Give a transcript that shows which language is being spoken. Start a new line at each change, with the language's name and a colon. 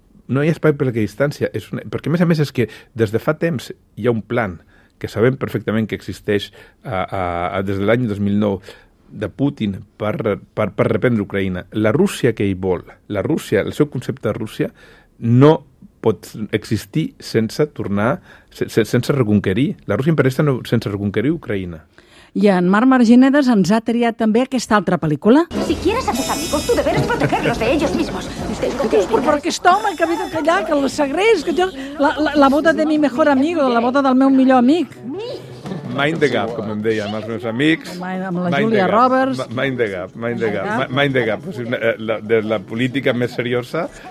Catalan: No hi ha espai per l'equidistància. Perquè, a més, és que des de fa temps hi ha un plan que sabem perfectament que existeix des de l'any 2009 de Putin per reprendre Ucraïna. La Rússia que ell vol, la Rússia, el seu concepte de Rússia, no pot existir sense tornar, sense reconquerir. La Rússia imperialista no, sense reconquerir Ucraïna. I en Marc Marginedes ens ha triat també aquesta altra pel·lícula.
Spanish: Si quieres a tus amigos, tu deberes protegerlos de ellos mismos.
Catalan: Dius, però aquest home que ha de callar, que el segrest, que jo...
Spanish: La boda de mi mejor amigo,
Catalan: la boda del meu millor amic.
English: Mind the gap,
Catalan: com em deia, amb els meus amics. Amb la Julia Roberts.
English: Mind the gap.
Catalan: De la política més seriosa...